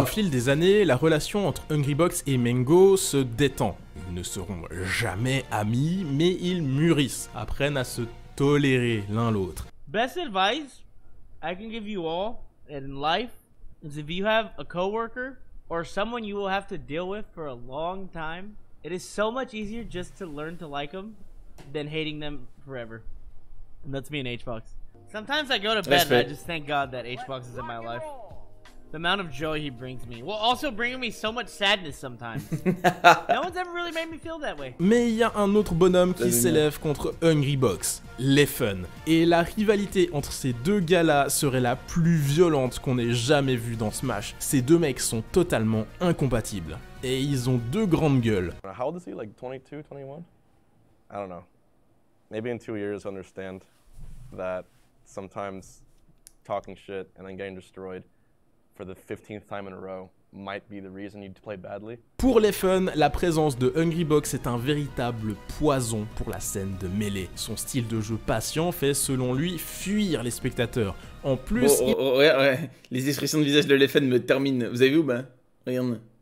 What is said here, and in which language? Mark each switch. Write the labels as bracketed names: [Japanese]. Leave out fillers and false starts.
[French] Au fil des années, la relation entre Hungrybox et Mango se détend. Ils ne seront jamais amis, mais ils mûrissent, apprennent à se tolérer l'un l'autre. [English] Best advice I can give you all in life is if you have a coworker or someone you will have to deal with for a long time, it is so much easier just to learn to like them than hating them forever. And that's me and HBox. Sometimes I go to bed and I just thank God that HBox is in my life. The amount of joy he brings me, while also bringing me so much sadness sometimes. No one's ever really made me feel that way. [French] Mais il y a un autre bonhomme qui s'élève contre Hungrybox, Leffen. Et la rivalité entre ces deux gars-là serait la plus violente qu'on ait jamais vue dans Smash. Ces deux mecs sont totalement incompatibles. Et ils ont deux grandes gueules. [English] How old is he, like 22, 21? I don't know. Maybe in 2 years, understand that sometimes talking shit and then getting destroyed for the 15th time in a row might be the reason you'd play badly. [French] Pour les fans, la présence de Hungrybox est un véritable poison pour la scène de Melee. Son style de jeu patient fait, selon lui, fuir les spectateurs. En plus, Ouais. Les expressions de visage de les fans me terminent. Vous avez vu ou ben rien.